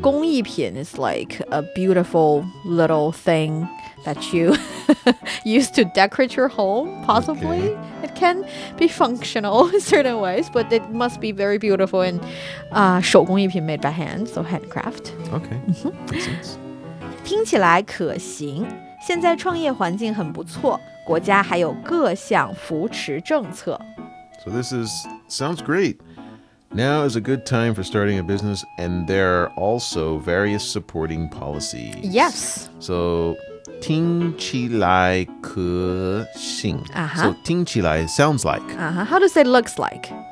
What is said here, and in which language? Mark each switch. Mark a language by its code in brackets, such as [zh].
[en] 工艺品 is like a beautiful little thing that you use to decorate your home, possibly. Okay. It can be functional in certain ways, but it must be very beautiful and 手工艺品 made by hand, so handcraft. Okay, makes sense. [zh] 听起来可行, 现在创业环境很不错, 国家还有各项扶持政策. [en] So this is, sounds great. Now is a good time for starting a business, and there are also various supporting policies. Yes. So, [zh] 听起来可行. [en] Uh-huh. So, [zh] 听起来 [en] sounds like. Uh-huh. How to say looks like?